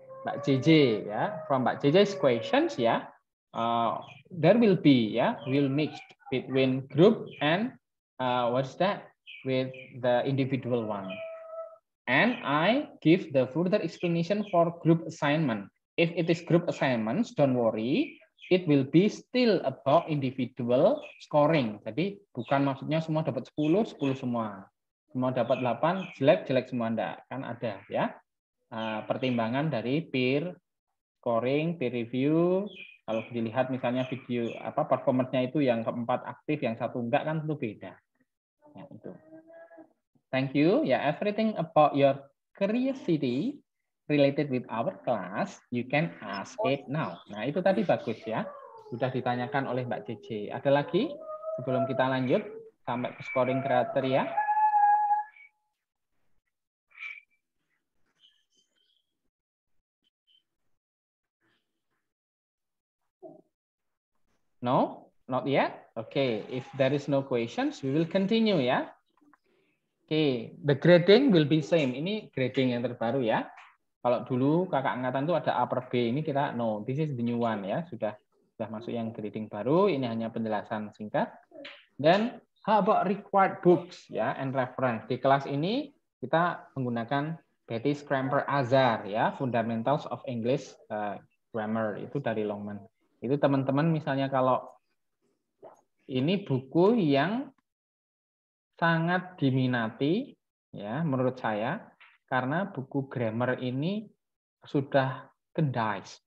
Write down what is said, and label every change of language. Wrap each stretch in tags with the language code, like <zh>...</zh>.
<en>Mbak JJ ya, from Mbak JJ's questions ya, there will be ya, will mix between group and what's that with the individual one. And I give the further explanation for group assignment. If it is group assignments, don't worry, it will be still about individual scoring.</en> <id>Jadi bukan maksudnya semua dapat 10, 10 semua, semua dapat 8, jelek-jelek semua enggak, kan ada ya. Pertimbangan dari peer scoring, peer review, kalau dilihat misalnya video apa performance-nya itu yang keempat aktif, yang satu enggak kan tentu beda. Ya, itu. Thank you.</id> <en>Ya, yeah, everything about your curiosity related with our class, you can ask it now.</en> <id>Nah, itu tadi bagus ya. Sudah ditanyakan oleh Mbak JJ. Ada lagi sebelum kita lanjut sampai ke scoring kriteria?</id> <en>No, not yet. Okay, if there is no questions, we will continue ya. Okay, the grading will be same. Ini grading yang terbaru ya.</en> <id>Kalau dulu kakak angkatan itu ada A per B, ini kita no. This is the new one ya. Sudah masuk yang grading baru. Ini hanya penjelasan singkat.</id> <en>Then how about required books ya and reference?</en> <id>Di kelas ini kita menggunakan Betty Scrimper Azar ya, Fundamentals of English Grammar itu dari Longman. Itu teman-teman misalnya kalau ini buku yang sangat diminati ya menurut saya karena buku grammar ini sudah kendais.</id>